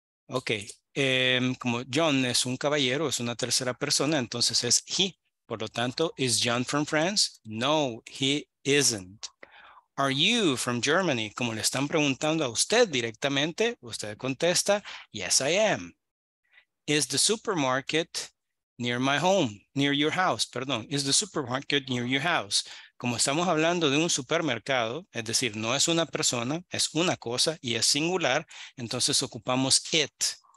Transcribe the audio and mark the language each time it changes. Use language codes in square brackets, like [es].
[es] Ok, como John es un caballero, es una tercera persona, entonces es he. Por lo tanto, [en] is John from France? No, he isn't. Are you from Germany? [es] Como le están preguntando a usted directamente, usted contesta, [en] yes, I am. Is the supermarket near my home, near your house? Perdón, is the supermarket near your house? [es] Como estamos hablando de un supermercado, es decir, no es una persona, es una cosa y es singular, entonces ocupamos it.